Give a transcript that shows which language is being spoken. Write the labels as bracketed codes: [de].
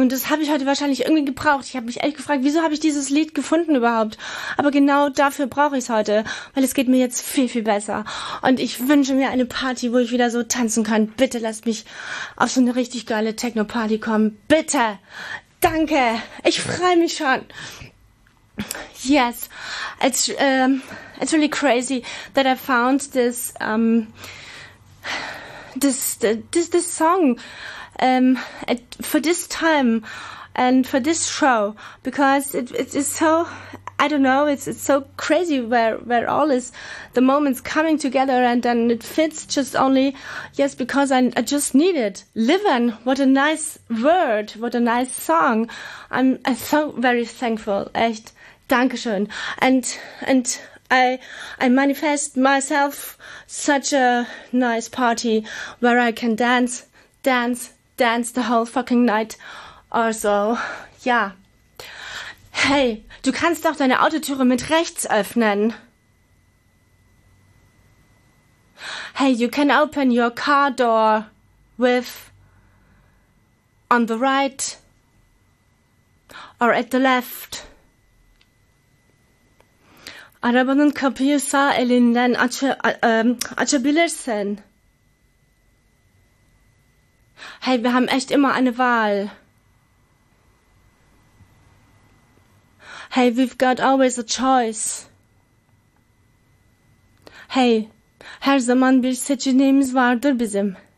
[de] Und das habe ich heute wahrscheinlich irgendwie gebraucht. Ich habe mich echt gefragt, wieso habe ich dieses Lied gefunden überhaupt? Aber genau dafür brauche ich es heute, weil es geht mir jetzt viel, viel besser. Und ich wünsche mir eine Party, wo ich wieder so tanzen kann. Bitte lasst mich auf so eine richtig geile Techno-Party kommen. Bitte. Danke. Ich freue mich schon. [en] Yes, it's really crazy that I found this song for this time and for this show, because it is so, I don't know, it's so crazy where all is the moments coming together, and then it fits just only, yes, because I just need it. Livin', what a nice word, what a nice song. I'm so very thankful, [de] echt. Dankeschön. [en] And I manifest myself such a nice party where I can dance the whole fucking night or so. Ja. [de] Hey, du kannst doch deine Autotüre mit rechts öffnen. [en] Hey, you can open your car door with on the right or at the left. [tr] Arabanın kapıyı sağ elinden açabilirsin. [de] Hey, wir haben echt immer eine Wahl. [en] Hey, we've got always a choice. [tr] Hey, her zaman bir seçeneğimiz vardır bizim.